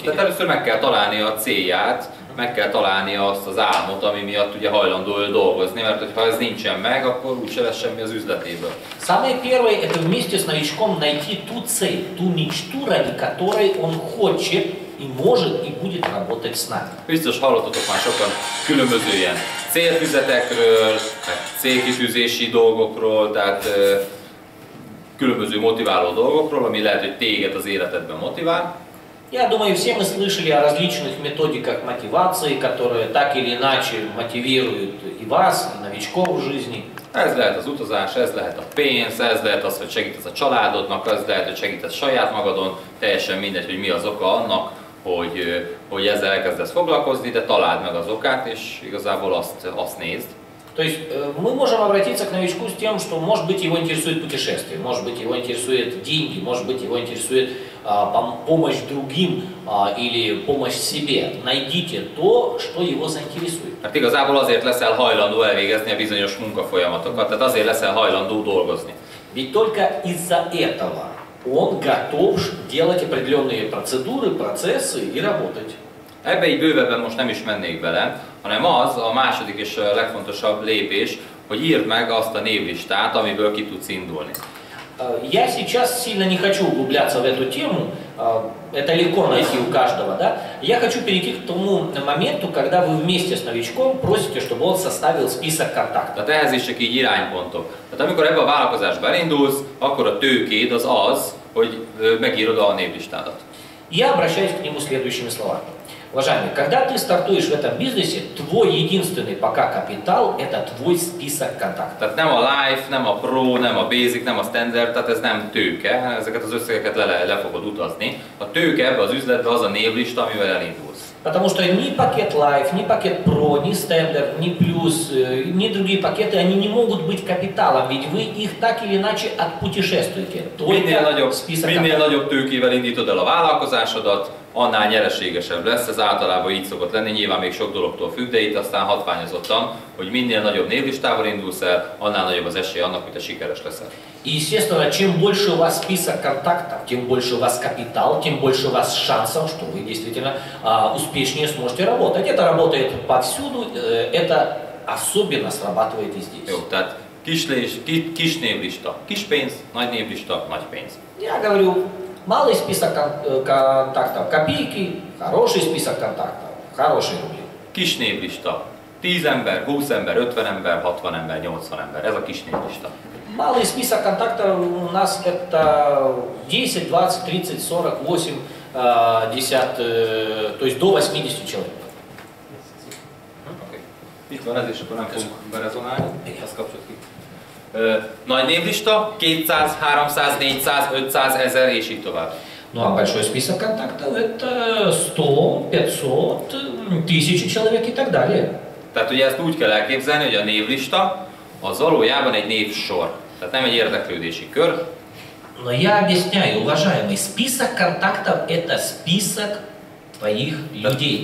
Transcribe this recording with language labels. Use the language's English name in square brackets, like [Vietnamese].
[Hungarian] Tehát először meg kell találni a célját, meg kell találni azt az álmot, ami miatt ugye hajlandó dolgozni, mert hogyha ez nincsen meg, akkor úgy se lesz semmi az üzletéből. [Russian] Самое первое это вместе с новичком найти ту цель, ту мечту, ради которой он хочет и может и будет работать с нами. [Hungarian] Biztos hallottatok már sokan különböző ilyen célfüzetekről, célkitűzési dolgokról, tehát különböző motiváló dolgokról, ami lehet, hogy téged az életedben motivál. [Russian] Я думаю, все мы слышали о различных методиках мотивации, которые так или иначе мотивируют и вас, и новичков в жизни. [Hungarian] Ez lehet az utazás, ez lehet a pénz, ez lehet az, hogy segítesz a családodnak, ez lehet, hogy segítesz saját magadon, teljesen mindegy, hogy mi az oka annak, hogy ezzel elkezdesz foglalkozni, de találd meg az okát, és igazából azt nézd. [Russian] То есть мы можем обратиться к новичку с тем, что может быть его интересует путешествие, может быть его интересует деньги, может быть его интересует помощь другим или помощь себе. Найдите то, что его заинтересует. Так [Hungarian] igazából azért leszel hajlandó elvégezni a bizonyos munkafolyamatokat, tehát azért leszel hajlandó dolgozni. [Russian] Ведь только из-за этого он готов делать определенные процедуры, процессы и работать. [Hungarian] Ebbe így bővebben most nem is mennék bele, hanem az a második és legfontosabb lépés, hogy írd meg azt a névlistát, amiből ki tudsz indulni. [Russian] Я сейчас сильно не хочу углубляться в эту тему, это легко найти у каждого, да? Я хочу перейти к тому моменту, когда вы вместе с новичком просите, чтобы он составил список контактов. [Hungarian] Tehát ehhez is csak így iránypontok. Tehát amikor ebbe a vállalkozásba elindulsz, akkor a tőkéd az az, hogy megírod a névlistádat. [Russian] Я обращаюсь к нему следующими словами. Уважаемый, когда ты стартуешь в этом бизнесе, твой единственный пока капитал – это твой список контактов. [Hungarian] Tehát nem a life, nem a pro, nem a basic, nem a standard, tehát ez nem tőke, ezeket az összegeket le fogod utazni. A tőke ebbe az üzletbe az a névlista, amivel elindulsz. [Russian] Потому что ни пакет life, ни пакет pro, ни standard, ни plus, ни другие пакеты, они не могут быть капиталом, ведь вы их так или иначе отпутешествуете. [Hungarian] Minél nagyobb tőkével indítod el a vállalkozásodat, annál nyereségesebb lesz, ez általában így szokott lenni, nyilván még sok dologtól függ, de itt aztán hatványozottan, hogy minél nagyobb névlistával indulsz el, annál nagyobb az esély annak, hogy te sikeres leszel. [Russian] И естественно, чем больше у вас список контактов, тем больше у вас капитал, тем больше у вас шансов, что вы действительно успешнее сможете работать. Это работает повсюду, это особенно срабатывает и здесь. [Hungarian] Jó, tehát kis névlista, kis pénz, nagy névlista, nagy pénz. [Russian] Я говорю, малый список контактов, копейки, хороший список контактов, хорошие рубли. [Hungarian] Kis névlista, 10 ember, 20 ember, 50 ember, 60 ember, 80 ember, ez a kis névlista. [Russian] Малый список контактов у нас это 10, 20, 30, 40, 80, то есть до 80 человек. [English] Okay. [Hungarian] Itt van ez, és akkor nem fogunk berezonálni, ezt kapcsolat ki. Nagy névlista, 200, 300, 400, 500, 1000 és így tovább. [Russian] Ну а большой список контактов это 100, 500, 1000 человек и так далее. [Hungarian] Tehát ugye ezt úgy kell elképzelni, hogy a névlista az valójában egy névsor. Tehát nem egy érdeklődési kör. [Russian] Но я объясняю, уважаемый, список контактов это список твоих людей.